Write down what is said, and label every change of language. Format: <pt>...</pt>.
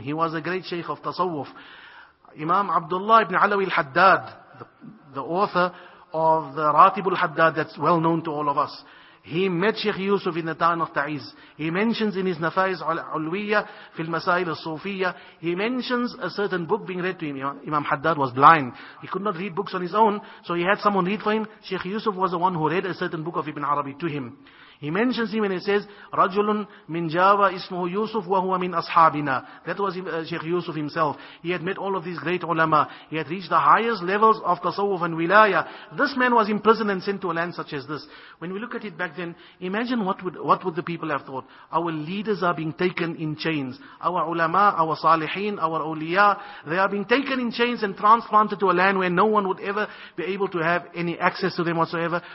<en>He was a great sheikh of tasawwuf. Imam Abdullah ibn Alawi al-Haddad, the author of the Ratib al-Haddad that's well known to all of us, he met Sheikh Yusuf in the town of Ta'iz. He mentions in his Nafais al-Ulwiya, fil Masail al-Sufiya, he mentions a certain book being read to him. Imam Haddad was blind. He could not read books on his own, so he had someone read for him. Sheikh Yusuf was the one who read a certain book of Ibn Arabi to him. He mentions him and he says,</en> <ar>رَجُلٌ مِنْ جَاوَ إِسْمُهُ يُوسُفُ وَهُوَ مِنْ أَصْحَابِنَا.</ar> <en>That was Sheikh Yusuf himself. He had met all of these great ulama. He had reached the highest levels of tasawwuf and wilaya. This man was imprisoned and sent to a land such as this. When we look at it back then, imagine what would the people have thought. Our leaders are being taken in chains. Our ulama, our salihin, our awliya, they are being taken in chains and transplanted to a land where no one would ever be able to have any access to them whatsoever.</en>